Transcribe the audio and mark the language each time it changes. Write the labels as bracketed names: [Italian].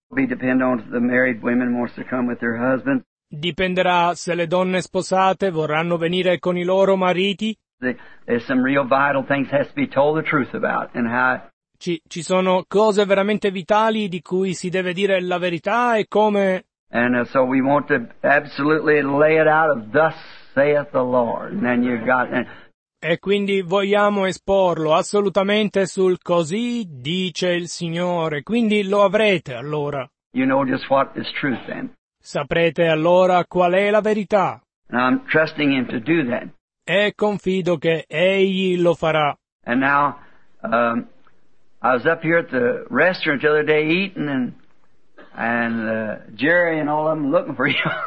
[English] We depend on the married women wants to come with their husbands. [Italian] Dipenderà se le donne sposate vorranno venire con i loro mariti. [English] There's some real vital things has to be told the truth about and how. [Italian] Ci sono cose veramente vitali di cui si deve dire la verità e come. [English] And so we want to absolutely lay it out of thus saith the Lord. And then you've got. [Italian] E quindi vogliamo esporlo assolutamente sul così dice il Signore. Quindi lo avrete allora. [English] You know just what is truth then. [Italian] Saprete allora qual è la verità. [English] And I'm trusting him to do that. [Italian] E confido che egli lo farà. [English] And now, I was up here at the restaurant the other day eating and Jerry and all of them looking for you.